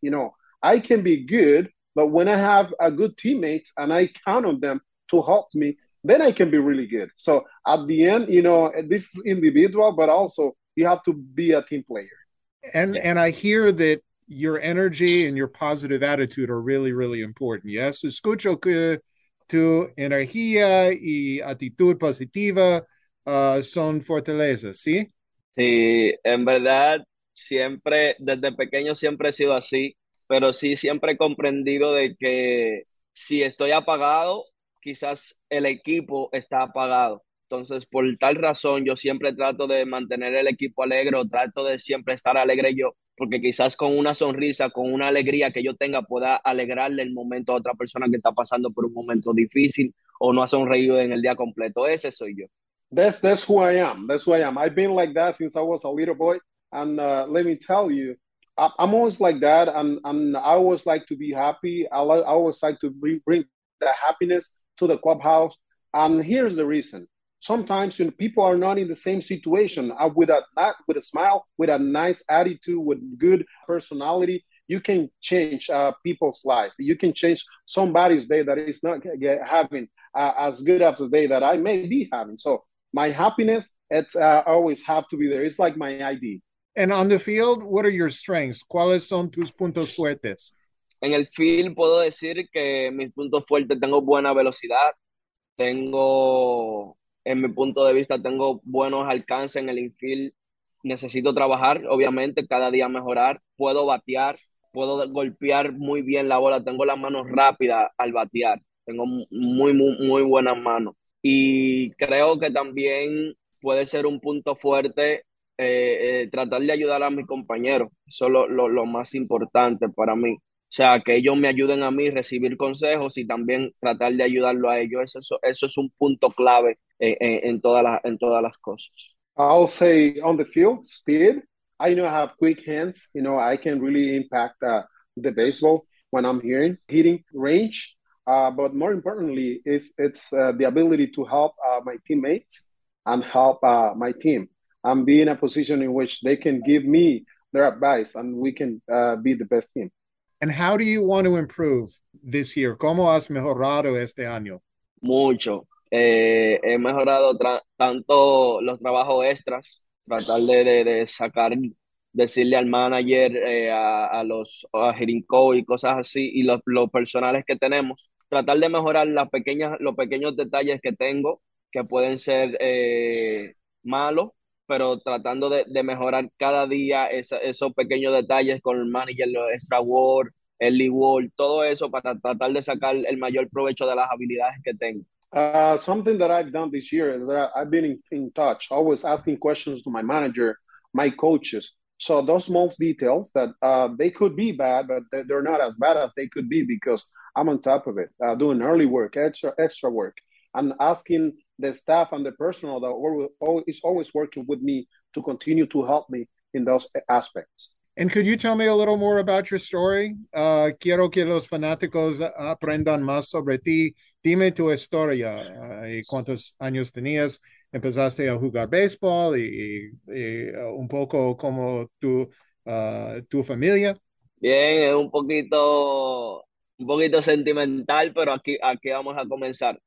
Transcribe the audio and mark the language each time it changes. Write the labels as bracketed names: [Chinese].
[English] You know, I can be good, but when I have a good teammate and I count on them to help me, then I can be really good. So at the end, you know, this is individual, but also you have to be a team player. And I hear that your energy and your positive attitude are really, really important. [Spanish] Yes, escucho que tu energía y actitud positiva son fortaleza, ¿sí? Sí, en verdad, siempre, desde pequeño siempre he sido así, pero sí siempre he comprendido de que si estoy apagado, quizás el equipo está apagado. Entonces, por tal razón, yo siempre trato de mantener el equipo alegre o trato de siempre estar alegre yo, porque quizás con una sonrisa, con una alegría que yo tenga, pueda alegrarle el momento a otra persona que está pasando por un momento difícil o no ha sonreído en el día completo. Ese soy yo. [English] That's who I am. That's who I am. I've been like that since I was a little boy. And let me tell you, I'm always like that. And I always like to be happy. I always like to bring the happiness to the clubhouse. And here's the reason. Sometimes, you know, people are not in the same situation. With a smile, with a nice attitude, with good personality, you can change people's life. You can change somebody's day that is not having as good of a day that I may be having. So my happiness, it's always have to be there. It's like my ID. And on the field, what are your strengths? [Spanish] ¿Cuáles son tus puntos fuertes? En el field puedo decir que mis puntos fuertes, tengo buena velocidad, tengo... En mi punto de vista, tengo buenos alcances en el infield. Necesito trabajar, obviamente, cada día mejorar. Puedo batear, puedo golpear muy bien la bola. Tengo las manos rápidas al batear. Tengo muy, muy, muy buenas manos. Y creo que también puede ser un punto fuerte tratar de ayudar a mis compañeros. Eso es lo más importante para mí. O sea, que ellos me ayuden a mí a recibir consejos y también tratar de ayudarlo a ellos. Eso es un punto clave en todas las cosas. [English] I'll say on the field, speed. I know I have quick hands. You know, I can really impact the baseball when I'm hitting range. But more importantly, it's the ability to help my teammates and help my team. And be in a position in which they can give me their advice and we can be the best team. And how do you want to improve this year? [Spanish] ¿Cómo has mejorado este año? Mucho. He mejorado tanto los trabajos extras, tratar de sacar decirle al manager, a los gerincos y cosas así, y los personales que tenemos, tratar de mejorar las pequeñas, los pequeños detalles que tengo, que pueden ser malos, pero tratando de mejorar cada día esos pequeños detalles con el manager, los extra work, el e-work, todo eso para tratar de sacar el mayor provecho de las habilidades que tengo. [English] Something that I've done this year is that I've been in touch, always asking questions to my manager, my coaches. So those small details that they could be bad, but they're not as bad as they could be because I'm on top of it, doing early work, extra work, and asking the staff and the personnel that is always working with me to continue to help me in those aspects. And could you tell me a little more about your story? Quiero que los fanáticos aprendan más sobre ti. Dime tu historia. ¿Cuántos años tenías? ¿Empezaste a jugar béisbol? Y un poco como tu familia. Bien, es un poquito sentimental, pero aquí vamos a comenzar.